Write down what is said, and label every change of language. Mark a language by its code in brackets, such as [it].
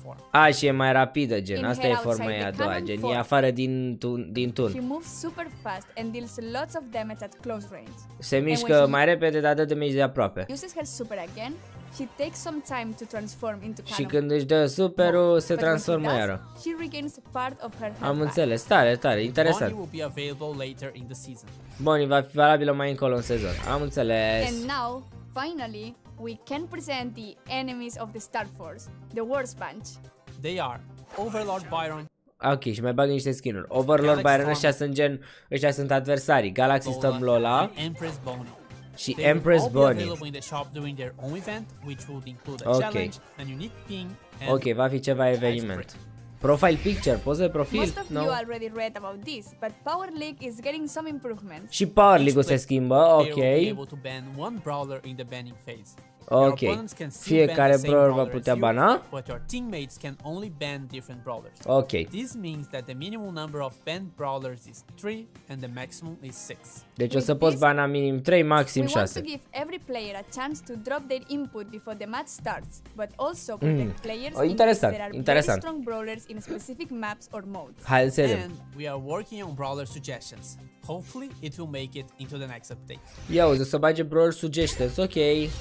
[ro] A, și e mai rapidă gen, asta e forma ei a doua gen, e afară din tun. [en] She moves super fast and deals lots of damage at close range. [ro] Se mișcă mai repede, dar dă damage de aproape. [en] Uses her super again, she takes some time to transform into cannon. [ro] Și când își dă superul, se transformă iară. [en] She regains part of her health. [ro] Am înțeles, tare, interesant. [en] Bonnie will be available later in the season. [ro] Bonnie va fi valabilă mai încolo în sezon. Am înțeles. [en] And now, finally, we can present the enemies of the Star Force, the worst bunch. They are Overlord Byron. [ro] Ok, și mai bag niște skin-uri. Overlord Byron, ăștia sunt adversari. Galaxy Storm Lola. [en] Empress Bonnie. [ro] Și Empress Bonnie. [en] They will be available in the shop during their own event, which will include a challenge, a unique thing, and [ro] ok, va fi ceva eveniment. [en] Profile picture, [ro] poză de profil. [en] Most of no? You already read about this, but Power League is getting some improvements. [ro] Și Power League-ul se schimbă, ok. [en] They will be able to ban one brawler in the banning phase. [ro] Ok, fiecare brawler va putea bana. [en] But your teammates can only ban different brawlers. Ok. This means that the minimum number of banned brawlers is 3 and the maximum is 6. [ro] Deci o să poți bana minim 3, maxim 6. [en] We want to give every player a chance to drop their input before the match starts, but also protect players in case there are strong brawlers in specific maps or modes. [ro] Hai să vedem. [en] And we are working on brawler suggestions. Hopefully it will make it into the next update. Yo, the Sabaje Brawl suggestions, okay.